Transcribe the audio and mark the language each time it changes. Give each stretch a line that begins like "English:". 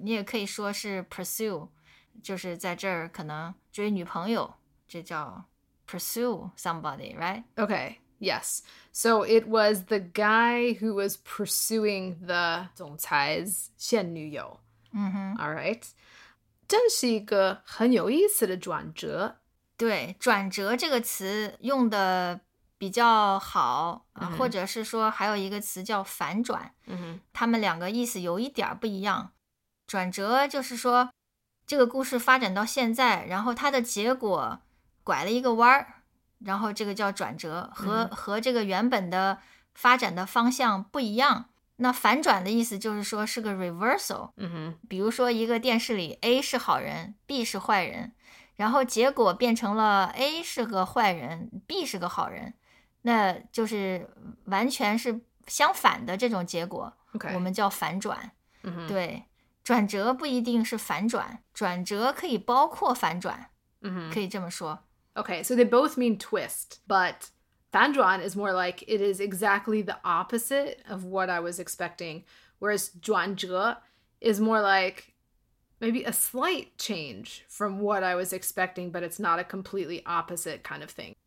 Chinese: 你也可以说是 pursue, 就是在这儿可能追女朋友，这叫
English: pursue somebody, right? Okay, yes. So it was the guy who was pursuing the 总裁's
Chinese: 现女友。 Mm-hmm.
English: All right.
Chinese: 真是一个很有意思的转折。对，转折这个词用的比较好、 mm-hmm. 或者是说还有一个词叫反转、 mm-hmm. 他们两个意思有一点不一样。转折就是说这个故事发展到现在，然后它的结果拐了一个弯，然后这个叫转折 和这个原本的发展的方向不一样。那反转的意思就是说是个 reversal、 mm-hmm. 比如说一个电视里 A 是好人 B 是坏人，然后结果变成了 A 是个坏人 ，B 是个好人，那就是完全是相反的这种结果。
English: Okay.
Chinese: 我们叫反转。 Mm-hmm. 对，转折不一定是反转，转折可以包括反转。 Mm-hmm. 可以这么说。
English: Okay, so they both mean twist, but 反转 is more like it is exactly the opposite of what I was expecting, whereas 转折 is more like. Maybe a slight change from what I was expecting, but it's not a completely opposite kind of thing.